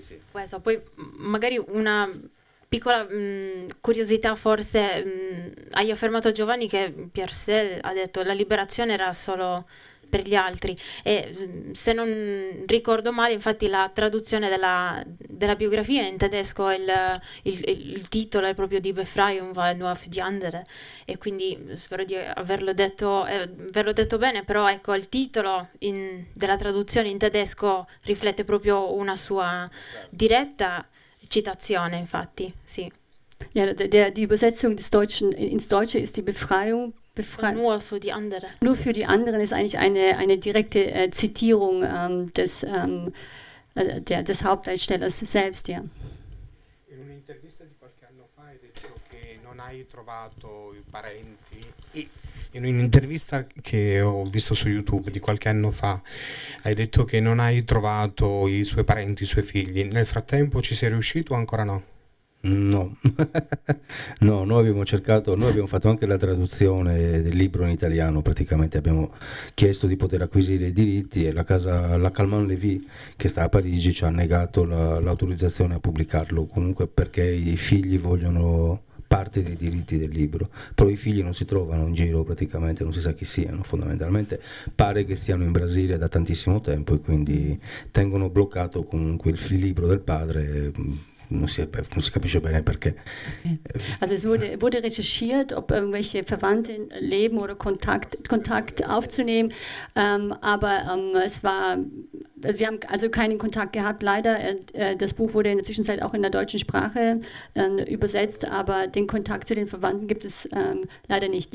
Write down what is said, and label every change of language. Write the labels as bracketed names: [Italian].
[Italian] Questo, poi magari una piccola curiosità, forse hai affermato Giovanni che Piersel ha detto la liberazione era solo per gli altri e se non ricordo male infatti la traduzione della biografia in tedesco il titolo è proprio [German] Die Befreiung war nur für die andere [Italian] e quindi spero di averlo detto bene, però ecco il titolo della traduzione in tedesco riflette proprio una sua diretta Citazione, infatti, sì. [German] Ja, die Übersetzung des Deutschen ins Deutsche ist die Befreiung. Nur für die andere. Nur für die anderen ist eigentlich eine direkte Zitierung des Hauptdarstellers selbst, ja. [Italian] In un'intervista di qualche anno fa hai detto che non hai trovato i parenti. In un'intervista che ho visto su YouTube di qualche anno fa hai detto che non hai trovato i suoi parenti, i suoi figli. Nel frattempo ci sei riuscito o ancora no? No, no, noi abbiamo fatto anche la traduzione del libro in italiano, praticamente abbiamo chiesto di poter acquisire i diritti e la Calmann Lévy, che sta a Parigi, ci ha negato l'autorizzazione a pubblicarlo, comunque perché i figli vogliono parte dei diritti del libro, però i figli non si trovano in giro praticamente, non si sa chi siano fondamentalmente, pare che siano in Brasile da tantissimo tempo e quindi tengono bloccato comunque il libro del padre, non si capisce bene perché. Okay. [German] Also es wurde recherchiert, ob irgendwelche Verwandte leben oder Kontakt aufzunehmen, aber es war, wir haben also keinen Kontakt gehabt, leider. Das Buch wurde in der Zwischenzeit auch in der deutschen Sprache übersetzt, aber den Kontakt zu den Verwandten gibt es leider nicht.